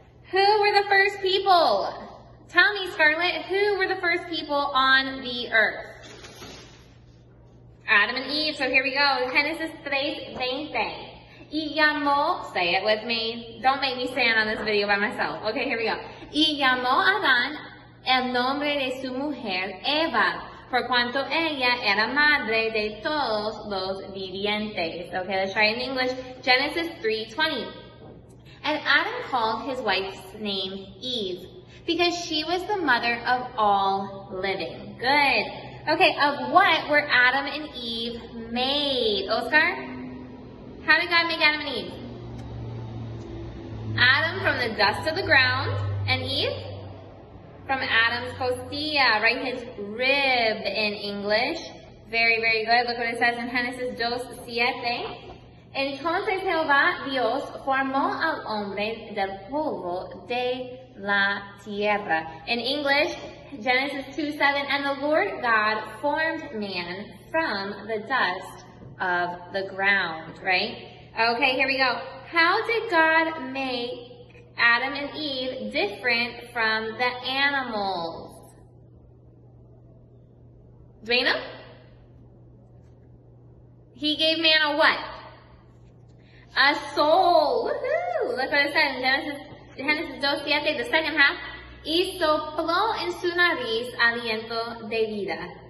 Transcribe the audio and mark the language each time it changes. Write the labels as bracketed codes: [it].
[en] Who were the first people? Tell me, Scarlett, who were the first people on the earth? Adam and Eve. So here we go. Genesis 3:20. [es] Y llamó, [en] say it with me. Don't make me stand on this video by myself. Okay, here we go. [es] Y llamó Adán el nombre de su mujer Eva, por cuanto ella era madre de todos los vivientes. [en] Okay, let's try in English. Genesis 3:20. And Adam called his wife's name Eve, because she was the mother of all living. Good. Okay, of what were Adam and Eve made? Oscar? How did God make Adam and Eve? Adam from the dust of the ground, and Eve from Adam's [es] costilla, [en] right? His rib in English. Very, very good. Look what it says in Genesis 2:7. [es] Entonces Jehová Dios formó al hombre del polvo de la tierra. [en] In English, Genesis 2:7, and the Lord God formed man from the dust of the ground, right? Okay, here we go. How did God make Adam and Eve different from the animals? Dwayne? He gave man a what? A soul. Woohoo! Look what it said in Genesis 2:7, the second half. [es] Y sopló en su nariz aliento de vida.